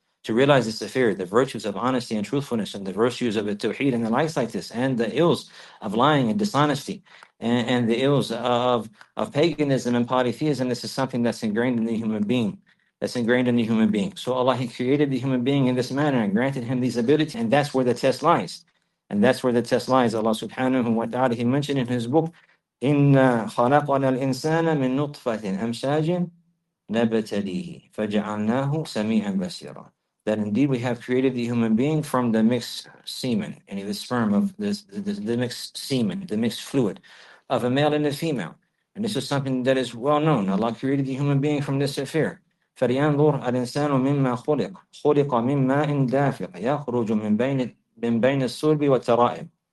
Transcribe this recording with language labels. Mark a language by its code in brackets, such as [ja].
[en] To realize this affair, the virtues of honesty and truthfulness and the virtues of al-Tawheed and the likes like this, and the ills of lying and dishonesty and the ills of paganism and polytheism, this is something that's ingrained in the human being. That's ingrained in the human being. So Allah, He created the human being in this manner and granted him these abilities, and that's where the test lies. And that's where the test lies. Allah subhanahu wa ta'ala, He mentioned in His book, [ar] إِنَّا خَلَقْنَا الْإِنسَانَ مِن نُطْفَةٍ أَمْشَاجٍ نَبْتَلِيهِ فَجَعَلْنَاهُ سَمِيعًا بَصِيرًا. [en] That indeed we have created the human being from the mixed semen, and the sperm of the mixed semen, the mixed fluid of a male and a female. And this is something that is well known. Allah created the human being from this affair. [ar] فَلِيَنْظُرْ الْإِنسَانُ مِمَّا خُلِقْ خُلِقَ مِن مَاءٍ دَافِقْ يَخْرُجُ مِن بَيْنِ الصُّلْبِ وَالتَّرَائِبِ.